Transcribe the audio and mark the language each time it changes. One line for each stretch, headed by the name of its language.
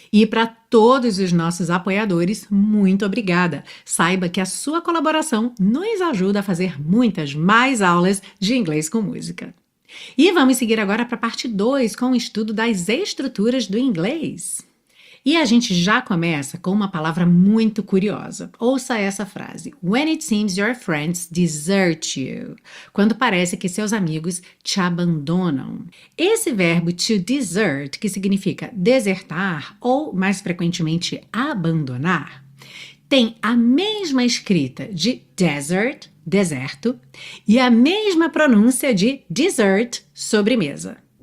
Portuguese: E para todos os nossos apoiadores, muito obrigada. Saiba que a sua colaboração nos ajuda a fazer muitas mais aulas de inglês com música. E vamos seguir agora para a parte 2, com o estudo das estruturas do inglês. E a gente já começa com uma palavra muito curiosa. Ouça essa frase:
English: When it seems your friends desert you.
Portuguese: Quando parece que seus amigos te abandonam. Esse verbo to desert, que significa desertar ou mais frequentemente abandonar, tem a mesma escrita de desert, deserto, e a mesma pronúncia de dessert, sobremesa.